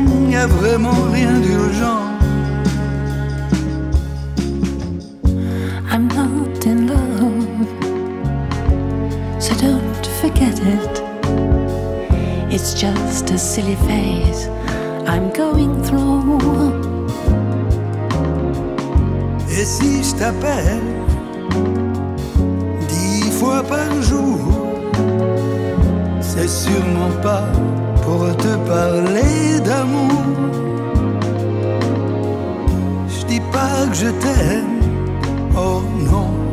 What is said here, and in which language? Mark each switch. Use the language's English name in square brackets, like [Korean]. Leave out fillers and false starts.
[French] Y a vraiment rien d'urgent. [English] I'm not in love, so don't forget it. It's just a silly phase I'm going through. [French] Et si je t'appelle 10 fois par jour, c'est sûrement pas pour te parler d'amour. Je dis pas que je t'aime, oh non.